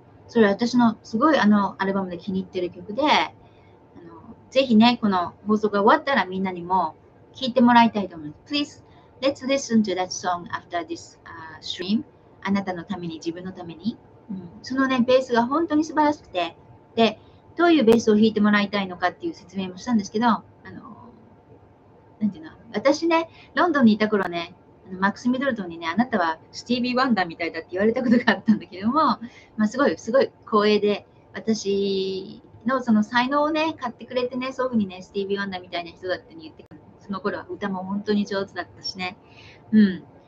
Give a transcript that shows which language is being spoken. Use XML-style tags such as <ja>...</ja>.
<ja>それは私のすごいアルバムで気に入っている曲で、ぜひね、この放送が終わったらみんなにも聴いてもらいたいと思います。</ja> <en>Please, let's listen to that song after this、stream.</en> <ja>あなたのために自分のために。そのね、ベースが本当に素晴らしくて、で、どういうベースを弾いてもらいたいのかっていう説明もしたんですけど、なんていうの、私ね、ロンドンにいた頃ね、マックス・ミドルトンにね、あなたはスティービー・ワンダーみたいだって言われたことがあったんだけども、まあ、すごい、すごい光栄で、私のその才能をね、買ってくれてね、そういうふうにね、スティービー・ワンダーみたいな人だって言って、その頃は歌も本当に上手だったしね。うん。</ja>